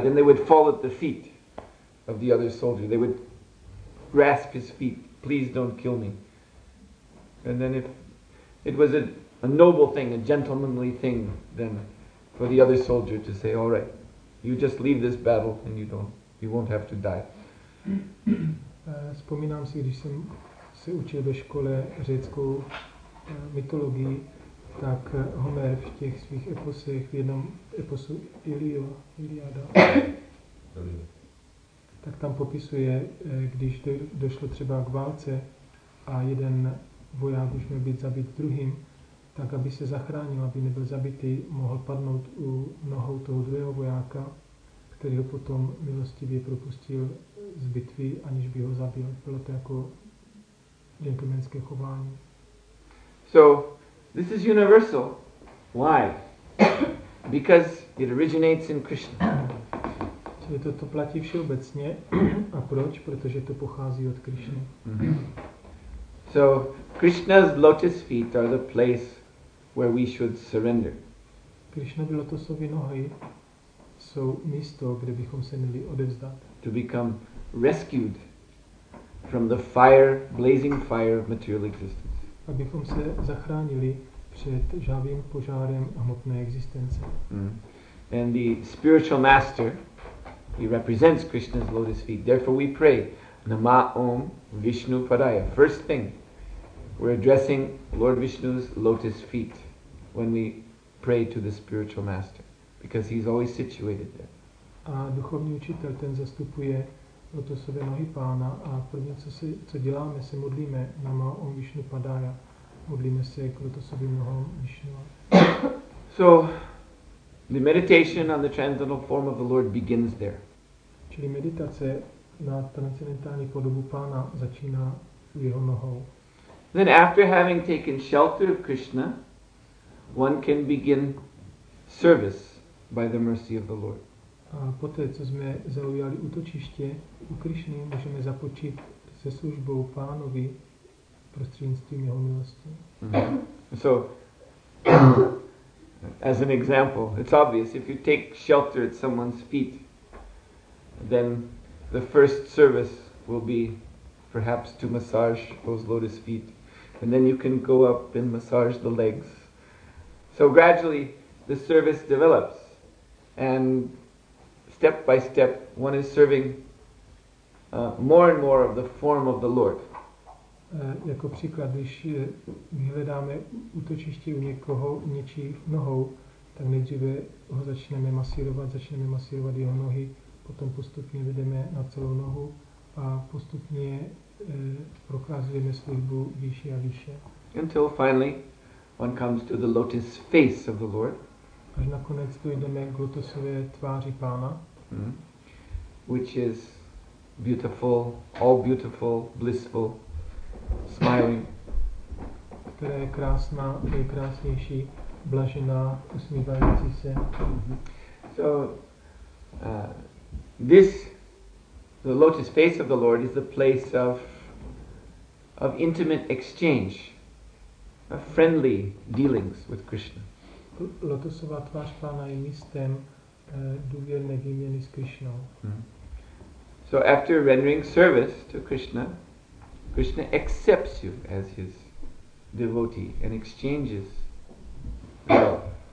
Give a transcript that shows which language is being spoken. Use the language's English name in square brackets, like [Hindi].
[English] Then they would fall at the feet of the other soldier. They would grasp his feet, please don't kill me. And then if it was a noble thing, a gentlemanly thing, then for the other soldier to say, all right, you just leave this battle and you won't have to die. [Czech] Vzpomínám si, když jsem se učil ve škole řeckou mytologii, tak Homer v těch svých eposech, v jednom eposu Iliada, tak tam popisuje, když došlo třeba k válce a jeden voják už měl být zabit druhým, tak aby se zachránil, aby nebyl zabitý, mohl padnout u nohou toho druhého vojáka, který ho potom milostivě propustil z bitvy, aniž by ho zabil. Bylo to jako gentlemanské chování. [English] So this is universal. Why? Because it originates in Krishna. [Czech] Čili to platí všeobecně. A proč? Protože to pochází od Krishny. [English] So Krishna's lotus feet are the place where we should surrender. [Czech] Krishnovy lotosové nohy jsou místo, kde bychom se měli odevzdat. [English] To become rescued from the fire, blazing fire of material existence. [Czech] Abychom se zachránili před žhavým požárem hmotné existence. [English] And the spiritual master, he represents Krishna's lotus feet. Therefore we pray, Nama Om Vishnu Padaya. First thing, we're addressing Lord Vishnu's lotus feet when we pray to the spiritual master, because he's always situated there. [Czech] A duchovní učitel, ten zastupuje lotosové nohy pána, a první, co děláme, se modlíme Nama Om Vishnu Padaya. Modlíme se k lotosovým nohám Vishnu. [English] So the meditation on the transcendental form of the Lord begins there. [Czech] Čili meditace na transcendentální podobu pána začíná u jeho nohou. [English] Then after having taken shelter of Krishna, one can begin service by the mercy of the Lord. [Czech] A poté, co jsme zaujali útočiště u Krishny, můžeme započít se službou pánovi prostřednictvím jeho milosti. [English] So as an example, it's obvious if you take shelter at someone's feet, then the first service will be perhaps to massage those lotus feet, and then you can go up and massage the legs. So gradually the service develops, and step by step one is serving more and more of the form of the Lord. [Czech] Jako příklad, když vyhledáme útočiště u někoho, něčí nohou, tak nejdříve ho začneme masírovat jeho nohy, potom postupně vedeme na celou nohu a postupně prokazujeme službu vyšší a vyšší. [English] Until finally one comes to the lotus face of the Lord. [Czech] Až nakonec dojdeme k lotosové tváři Pána. [English] Which is beautiful, all beautiful, blissful, smiling. [Czech] Která je krásná, je krásnější, blažená, usmívající se. [English] So this, the lotus face of the Lord, is the place of intimate exchange, of friendly dealings with Krishna. [Czech] Lotusová tvář Pána je místem důvěrné výměny s Krishnou. [English] So after rendering service to Krishna, Krishna accepts you as his devotee and exchanges love.